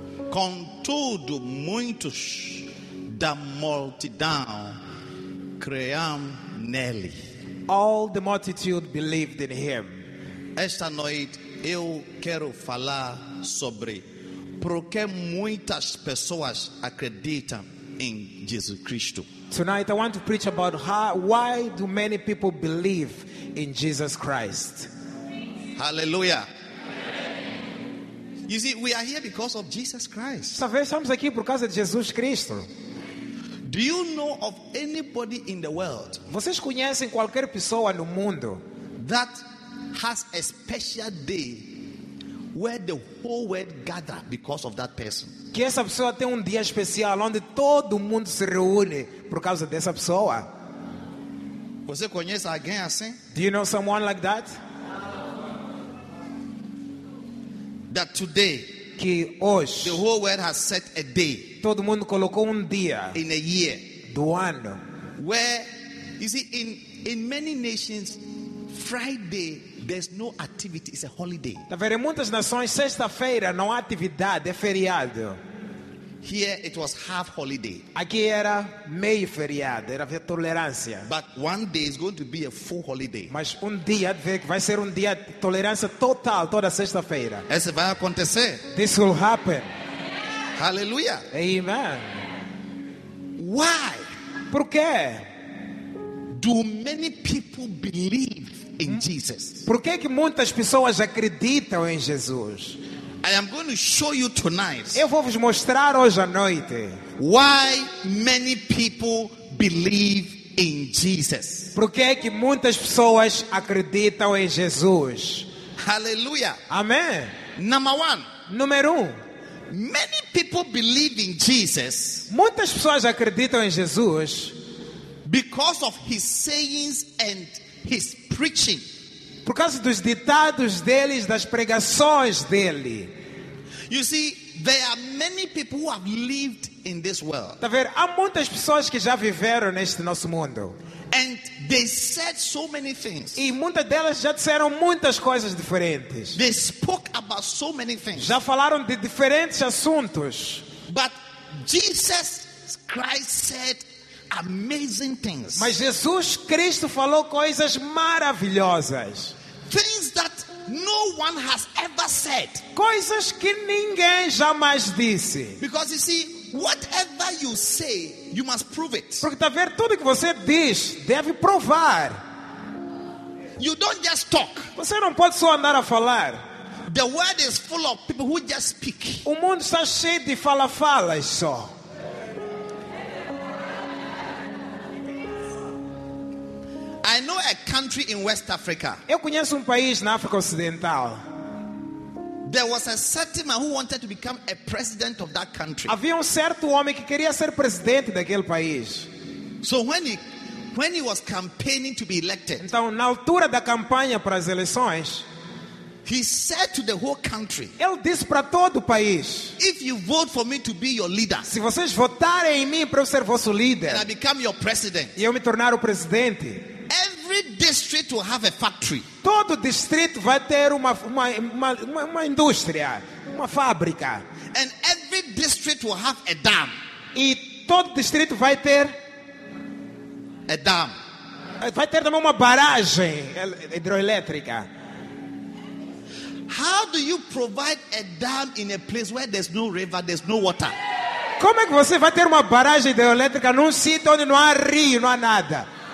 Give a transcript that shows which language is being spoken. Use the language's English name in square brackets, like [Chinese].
[Portuguese] Contudo, muitos da multidão creram nele. [English] All the multitude believed in him. [Portuguese] Esta noite eu quero falar sobre porque muitas pessoas acreditam em Jesus Cristo. [English] Tonight I want to preach about why do many people believe in Jesus Christ. Hallelujah. You see, we are here because of Jesus Christ. [Portuguese] Estamos aqui por causa de Jesus Cristo. [English] Do you know of anybody in the world? [Portuguese] Vocês conhecem qualquer pessoa no mundo [English] that has a special day where the whole world gather because of that person? [Portuguese] Que essa pessoa tem dia especial onde todo mundo se reúne por causa dessa pessoa? Você conhece alguém assim? [English] Do you know someone like that? That today, [Portuguese] que hoje, [English] the whole world has set a day. [Portuguese] Todo mundo colocou dia [English] in a year, [Portuguese] do ano. [English] Where you see in many nations, Friday there's no activity, it's a holiday. [Portuguese] Na verdade, muitas nações sexta-feira não há atividade, é feriado. [English] Here it was half holiday. [Portuguese] Aqui era meio feriado, era ver tolerância. [English] But one day is going to be a full holiday. [Portuguese] Mas dia vai ser dia de tolerância total toda sexta-feira. Isso vai acontecer. [English] This will happen. Hallelujah. Amen. Why? [Portuguese] Por quê? [English] Do many people believe in Jesus? [Portuguese] Por que muitas pessoas acreditam em Jesus? [English] I am going to show you tonight. [Portuguese] Eu vou vos mostrar hoje à noite. [English] Why many people believe in Jesus? [Portuguese] Por que muitas pessoas acreditam em Jesus? [English] Hallelujah. [Portuguese] Amém. [English] Number one. [Portuguese] Número [English] Many people believe in Jesus. [Portuguese] Muitas pessoas acreditam em Jesus [English] because of his sayings and his preaching. [Portuguese] Por causa dos ditados dele, das pregações dele. [English] You see, there are many people who have lived in this world. [Portuguese] Tá vendo? Há muitas pessoas que já viveram neste nosso mundo. [English] And they said so many things. [Portuguese] E muitas delas já disseram muitas coisas diferentes. [English] They spoke about so many things. [Portuguese] Já falaram de diferentes assuntos. [English] But Jesus Christ said amazing things. [Portuguese] Mas Jesus Cristo falou coisas maravilhosas. [English] Things that no one has ever said. [Portuguese] Coisas que ninguém jamais disse. [English] Because you see, whatever you say, you must prove it. [Portuguese] Porque tá vendo, tudo que você diz, deve provar. [English] You don't just talk. [Portuguese] Você não pode só andar a falar. [English] The world is full of people who just speak. [Portuguese] O mundo está cheio de fala-fala só. [English] I know a country in West Africa. [Portuguese] Eu conheço país na África Ocidental. [English] There was a certain man who wanted to become a president of that country. [Portuguese] Havia certo homem que queria ser presidente daquele país. [English] So when he was campaigning to be elected. [Portuguese] Então na altura da campanha para as eleições, [English] he said to the whole country. [Portuguese] Ele disse para todo o país. [English] If you vote for me to be your leader. [Portuguese] Se vocês votarem em mim para eu ser vosso líder. [English] And I become your president. [Portuguese] E eu me tornar o presidente. [English] Every district will have a factory. [Portuguese] Todo distrito vai ter uma indústria, uma fábrica. [English] And every district will have a dam. [Portuguese] E todo distrito vai ter [English] a dam. [Portuguese] Vai ter também uma barragem hidroelétrica. [English] How do you provide a dam in a place where there's no river, there's no water? [Portuguese] Como é que você vai ter uma barragem hidroelétrica num sítio onde não há rio, não há nada?